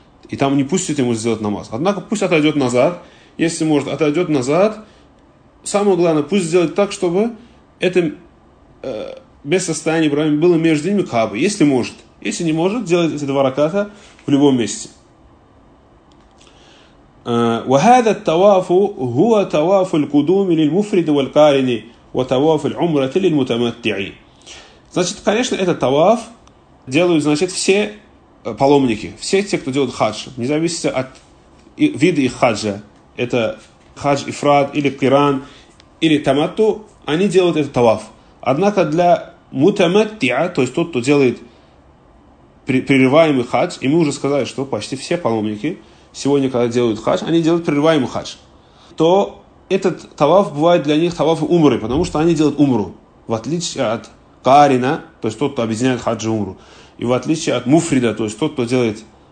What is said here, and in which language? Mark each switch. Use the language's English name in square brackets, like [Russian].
[Russian] И там не пустят ему сделать намаз. Однако пусть отойдет назад. Если может, отойдет назад. Самое главное, пусть сделает так, чтобы это без состояния Ибрахима было между ними Каабой, если может. Если не может, делает эти два раката в любом месте. [Arabic] وهذا التواف هو تواف القدوم للمفرد والقارن وتواف العمرة للمتمتعين. [Russian] Значит, конечно, этот таваф делают, значит, все паломники, все те, кто делают хадж, независимо от вида их хаджа, это хадж ифрат или киран или таматту, они делают этот таваф. Однако для мутаматтиа, то есть тот, кто делает прерываемый хадж, и мы уже сказали, что почти все паломники сегодня, когда делают хадж, они делают прерываемый хадж, то этот таваф бывает для них таваф умры, потому что они делают умру, в отличие от карина, то есть тот, кто объединяет хадж и умру, и в отличие от муфрида, то есть тот, кто делает